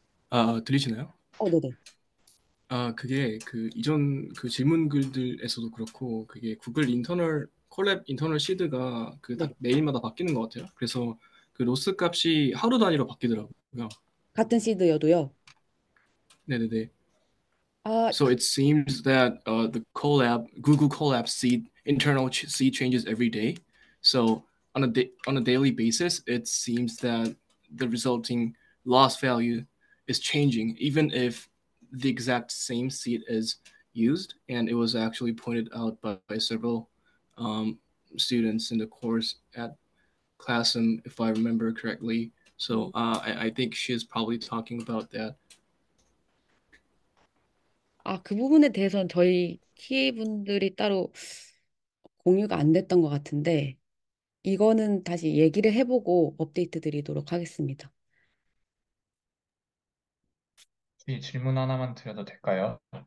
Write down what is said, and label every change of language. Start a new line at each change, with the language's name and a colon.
Korean: 아, 들리시나요? 아, 그게 그 이전 그 질문 글들에서도 그렇고, 그게 구글 인터널 콜랩 인터널 시드가 그딱 매일마다 바뀌는 것 같아요. 그래서 그 로스 값이 하루 단위로 바뀌더라고요. 같은 시드여도요? 네네네.
English: So it seems that the collab Google collab seed internal seed changes every day. So on a daily basis, it seems that the resulting loss value is changing, even if the exact same seed is used, and it was actually pointed out by several students in the course at class, and if I remember correctly. So I think she's probably talking about that.
Korean: 아, 그 부분에 대해서는 저희 TA 분들이 따로 공유가 안 됐던 것 같은데, 이거는 다시 얘기를 해보고 업데이트 드리도록 하겠습니다. 이 질문 하나만 드려도 될까요?